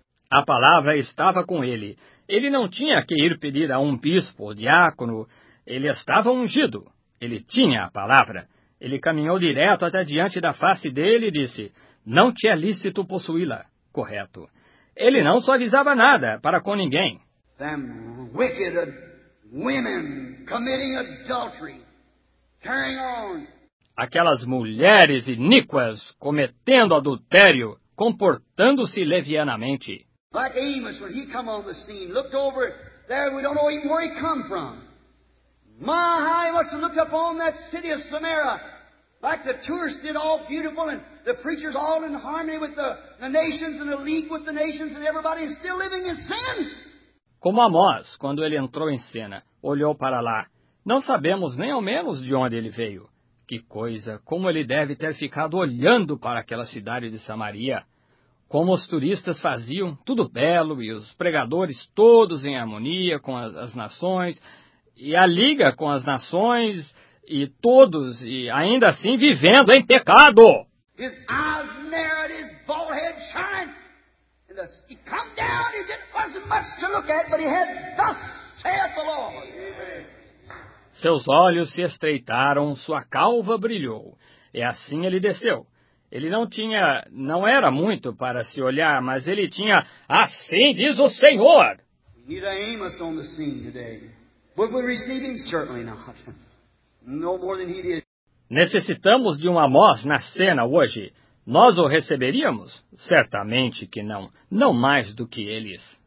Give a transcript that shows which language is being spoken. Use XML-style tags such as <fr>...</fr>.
<pt>A palavra estava com ele. Ele não tinha que ir pedir a um bispo ou diácono. Ele estava ungido. Ele tinha a palavra. Ele caminhou direto até diante da face dele e disse: não te é lícito possuí-la. Correto. Ele não suavizava nada para com ninguém.</pt> <en>Them wicked women committing adultery. Carrying on.</en> <pt>Aquelas mulheres iníquas cometendo adultério, comportando-se levianamente.</pt> <en>Like Amos, when he come on the scene, looked over there, we don't know even where he come from. My, how he must have looked up on that city of Samaria. Like the tourists did, all beautiful, and the preachers all in harmony with the nations and the league with the nations and everybody is still living in sin.</en> <pt>Como Amós, quando ele entrou em cena, olhou para lá. Não sabemos nem ao menos de onde ele veio. Que coisa, como ele deve ter ficado olhando para aquela cidade de Samaria. Como os turistas faziam, tudo belo, e os pregadores todos em harmonia com as nações, e a liga com as nações, e todos, e ainda assim vivendo em pecado.</pt> <en>His eyes narrowed, his forehead shined. He come down, and it wasn't much to look at, but he had thus saith the Lord.</en> <pt>Seus olhos se estreitaram, sua calva brilhou, e assim ele desceu. Ele não tinha, não era muito para se olhar, mas ele tinha, assim diz o Senhor.</pt> <en>We need Amos on the scene today. Would we receive him? Certainly not. No more than he did.</en> <pt>Necessitamos de um Amós na cena hoje. Nós o receberíamos? Certamente que não. Não mais do que eles.</pt>